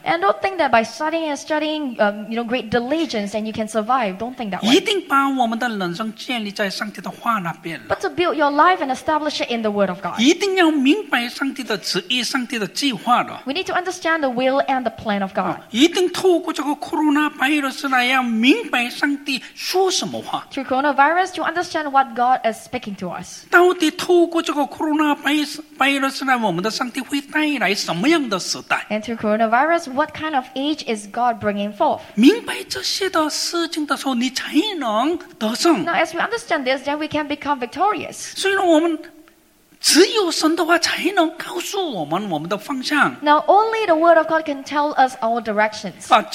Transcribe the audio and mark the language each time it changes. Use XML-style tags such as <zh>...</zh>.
<en>And don't think that by studying and studying, you know, great diligence and you can survive. Don't think that way.</en> <zh>一定把我们的人生建立在上帝的话那边。</zh> <en>But to build your life and establish it in the word of God.</en> <zh>一定要明白上帝的旨意，上帝的计划的。</zh> <en>We need to understand the will and the plan of God.</en> <zh>一定透过这个coronavirus来要明白上帝说什么话。</zh> <en>Through coronavirus, to understand what God is speaking to us.</en> <zh>到底透过这个coronavirus来我们的上帝会带来什么样的时代?</zh> <en>And through coronavirus, what kind of age is God bringing forth?</en> <zh>明白这些的事情的时候,你才能得胜。</zh> <en>Now, as we understand this, then we can become victorious.</en> <zh>虽然我们 只有神的话才能告诉我们我们的方向</zh> <en>Now only the word of God can tell us our directions</en>